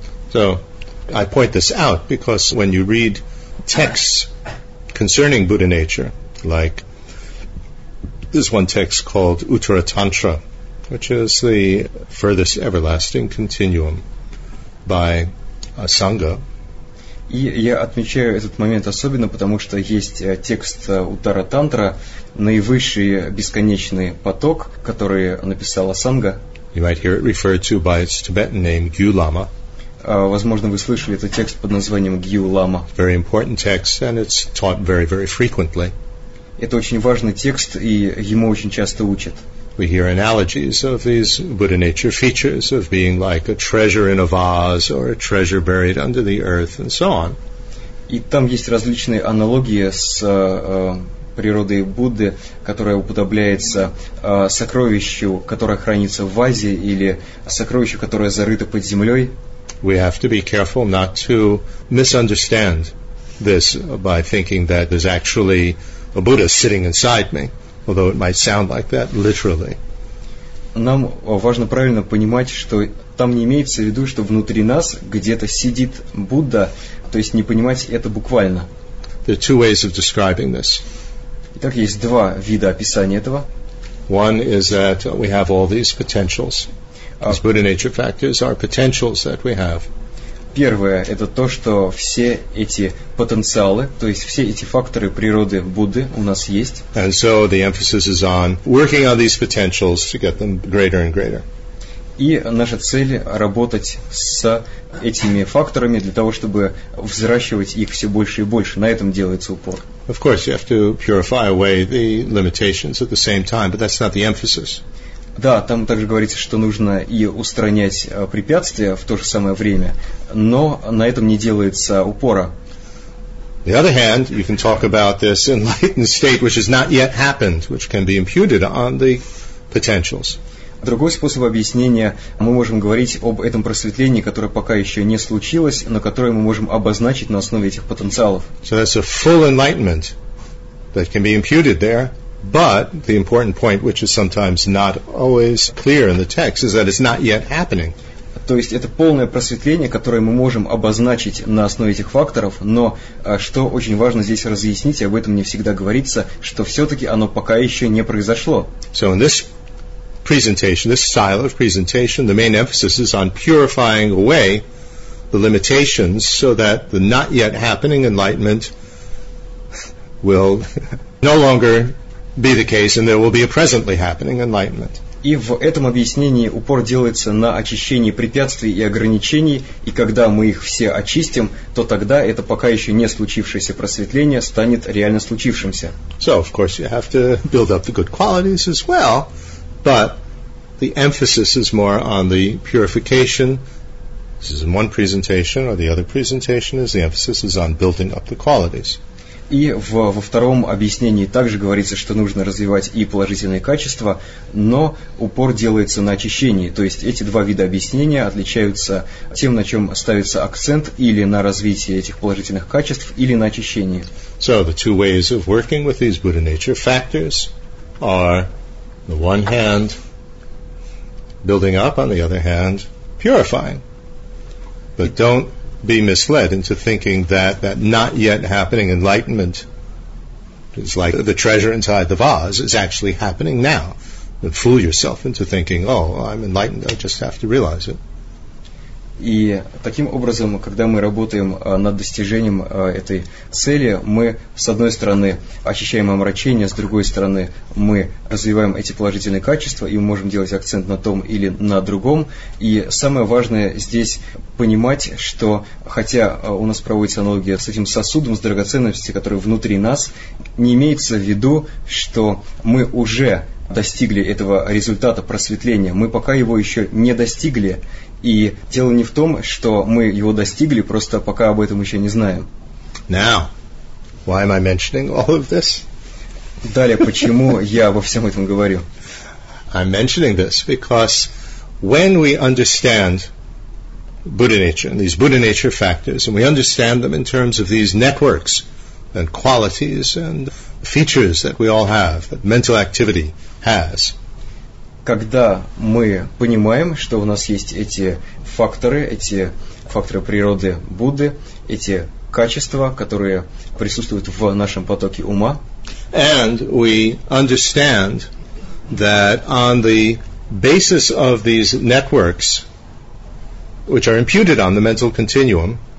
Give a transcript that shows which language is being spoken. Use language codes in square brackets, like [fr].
[en] So, I point this out because when you read texts concerning Buddha nature, like this one text called Uttara Tantra, which is the furthest everlasting continuum by a Sangha. [ru] И я отмечаю этот момент особенно, потому что есть текст Uttara Tantra, наивысший бесконечный поток, который написала Сангха. [en] You might hear it referred to by its Tibetan name Gyu Lama. [ru] Возможно, вы слышали этот текст под названием Гью Лама. [en] Very important text, and it's taught very, very frequently. [ru] Это очень важный текст, и ему очень часто учат. [en] We hear analogies of these Buddha nature features of being like a treasure in a vase or a treasure buried under the earth and so on. [ru] И там есть различные аналогии с природой Будды, которая уподобляется сокровищу, которое хранится в вазе, или сокровищу, которое зарыто под землей. [en] We have to be careful not to misunderstand this by thinking that there's actually a Buddha sitting inside me, although it might sound like that literally. [ru] Нам важно правильно понимать, что там не имеется в виду, что внутри нас где-то сидит Будда, то есть не понимать это буквально. [en] There are two ways of describing this. [ru] Итак, есть два вида описания этого. [en] One is that we have all these potentials. These Buddha nature factors are potentials that we have. [ru] Первое – это то, что все эти потенциалы, то есть все эти факторы природы Будды у нас есть. [en] And so the emphasis is on working on these potentials to get them greater and greater. [ru] И наша цель – работать с этими факторами для того, чтобы взращивать их все больше и больше. На этом делается упор. [en] Of course, you have to purify away the limitations at the same time, but that's not the emphasis. [ru] Да, там также говорится, что нужно и устранять препятствия в то же самое время, но на этом не делается упора. [en] On the other hand, you can talk about this enlightened state, which has not yet happened, which can be imputed on the potentials. [ru] Другой способ объяснения, мы можем говорить об этом просветлении, которое пока еще не случилось, но которое мы можем обозначить на основе этих потенциалов. [en] So that's a full enlightenment that can be imputed there, but the important point, which is sometimes not always clear in the text, is that it's not yet happening. [ru] То есть это полное просветление, которое мы можем обозначить на основе этих факторов, но что очень важно здесь разъяснить, и об этом не всегда говорится, что все-таки оно пока еще не произошло. [en] So in this presentation, this style of presentation, the main emphasis is on purifying away the limitations so that the not yet happening enlightenment will no longer be the case and there will be a presently happening enlightenment. [ru] И в этом объяснении упор делается на очищении препятствий и ограничений, и когда мы их все очистим, то тогда это пока еще не случившееся просветление станет реально случившимся. [en] So, of course, you have to build up the good qualities as well, but the emphasis is more on the purification. This is in one presentation, or the other presentation is the emphasis is on building up the qualities. [ru] И во втором объяснении также говорится, что нужно развивать и положительные качества, но упор делается на очищении. То есть эти два вида объяснения отличаются тем, на чем ставится акцент, или на развитии этих положительных качеств, или на очищении. [en] So the two ways of working with these Buddha nature factors are, on the one hand, building up, on the other hand, purifying. But don't be misled into thinking that that not yet happening enlightenment is like the treasure inside the vase is actually happening now. Don't fool yourself into thinking, oh, I'm enlightened, I just have to realize it. [ru] И таким образом, когда мы работаем над достижением этой цели, мы, с одной стороны, ощущаем омрачение, с другой стороны, мы развиваем эти положительные качества, и мы можем делать акцент на том или на другом. И самое важное здесь понимать, что хотя у нас проводится аналогия с этим сосудом, с драгоценностью, который внутри нас, не имеется в виду, что мы уже достигли этого результата просветления, мы пока его еще не достигли. И дело не в том, что мы его достигли, просто пока об этом еще не знаем. [en] Now, why am I mentioning all of this? [ru] Далее, почему я обо всем этом говорю? [en] I'm mentioning this because when we understand Buddha nature and these Buddha nature factors, and we understand them in terms of these networks and qualities and features that we all have, that mental activity has. [ru] Когда мы понимаем, что у нас есть эти факторы природы Будды, эти качества, которые присутствуют в нашем потоке ума. [en] And we understand that on the basis of these networks, which are imputed on the mental continuum,